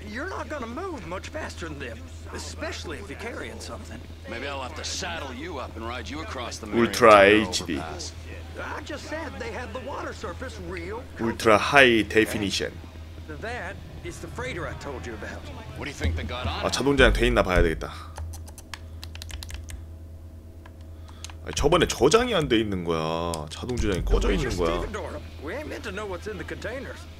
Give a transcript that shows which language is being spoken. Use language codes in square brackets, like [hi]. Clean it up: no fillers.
[en] You're not gonna move much faster than them, especially if you're carrying something. Maybe I'll have to saddle you up and ride you across the Ultra HD overpass. I just said they had the water surface real. Ultra high definition. That is the freighter I told you about. What do you think they got on? [ko] 아, 자동장 돼 있나 봐야 되겠다. 저번에 저장이 안 돼 있는 거야. 자동 저장이 꺼져 있는 거야. [en] We ain't meant to know what's in the containers.